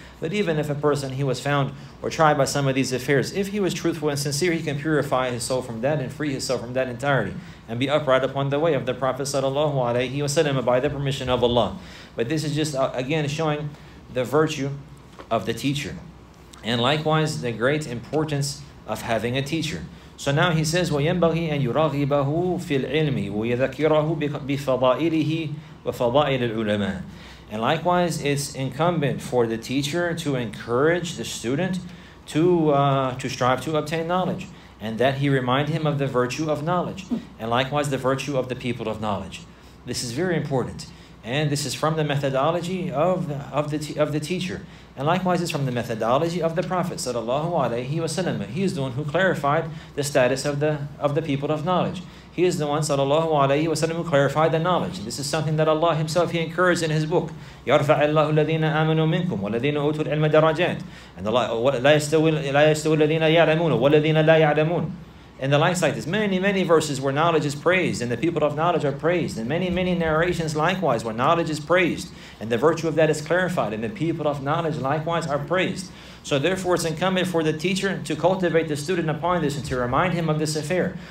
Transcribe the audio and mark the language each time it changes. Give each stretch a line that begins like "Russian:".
English: But even if a person, he was found or tried by some of these affairs, if he was truthful and sincere, he can purify his soul from that and free his soul from that entirely and be upright upon the way of the Prophet sallallahu alayhi wa sallam by the permission of Allah. But this is just, again, showing the virtue of the teacher. And likewise, the great importance of having a teacher. So now he says,
Arabic: وَيَنْبَغِي أَنْ يُرَغِبَهُ فِي الْعِلْمِ وَيَذَكِّرَهُ بِفَضَائِلِهِ وَفَضَائِلِ الْعُلَمَاءِ.
English: And likewise, it's incumbent for the teacher to encourage the student to strive to obtain knowledge, and that he remind him of the virtue of knowledge, and likewise the virtue of the people of knowledge. This is very important. And this is from the methodology of the teacher. And likewise, it's from the methodology of the Prophet sallallahu alayhi wa sallam. He is the one who clarified the status of the people of knowledge. He is the one sallallahu alayhi wa sallam who clarified the knowledge. This is something that Allah himself, he encouraged in his book.
Arabic: يَرْفَعَ اللَّهُ الَّذِينَ آمَنُوا مِنْكُمْ وَالَّذِينَ أُوتُوا الْعِلْمَ دَرَجَاتٍ.
English: And Allah,
Arabic: لَا يَسْتَوِي الَّذِينَ يَعْلَمُونَ وَالَّذِينَ لَا يَعْلَمُونَ.
English: And the likes like this. Many, many verses where knowledge is praised and the people of knowledge are praised. And many, many narrations likewise where knowledge is praised and the virtue of that is clarified and the people of knowledge likewise are praised. So therefore, it's incumbent for the teacher to cultivate the student upon this and to remind him of this affair.